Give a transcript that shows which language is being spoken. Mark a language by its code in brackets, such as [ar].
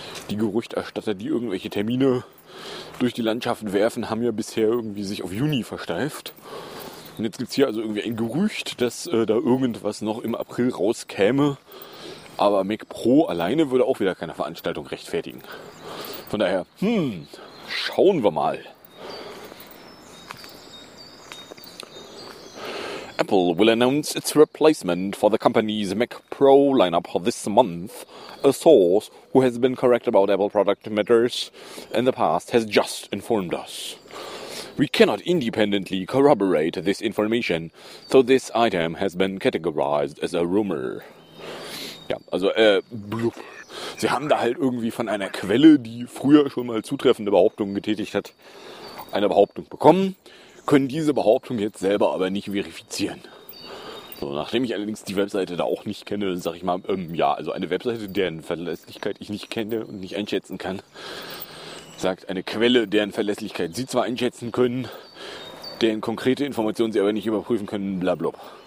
[de] Die Gerüchterstatter, die irgendwelche Termine durch die Landschaften werfen, haben ja bisher irgendwie sich auf Juni versteift. Und jetzt gibt es hier also irgendwie ein Gerücht, dass da irgendwas noch im April rauskäme. Aber Mac Pro alleine würde auch wieder keine Veranstaltung rechtfertigen. Von daher, schauen wir mal. [en] Apple will announce its replacement for the company's Mac Pro lineup this month. A source who has been correct about Apple product matters in the past has just informed us. We cannot independently corroborate this information, so this item has been categorized as a rumor. [de] Ja, also, blub. Sie haben da halt irgendwie von einer Quelle, die früher schon mal zutreffende Behauptungen getätigt hat, eine Behauptung bekommen. Können diese Behauptung jetzt selber aber nicht verifizieren. So, nachdem ich allerdings die Webseite da auch nicht kenne, sag ich mal, also eine Webseite, deren Verlässlichkeit ich nicht kenne und nicht einschätzen kann, sagt eine Quelle, deren Verlässlichkeit sie zwar einschätzen können, deren konkrete Informationen sie aber nicht überprüfen können, blablabla.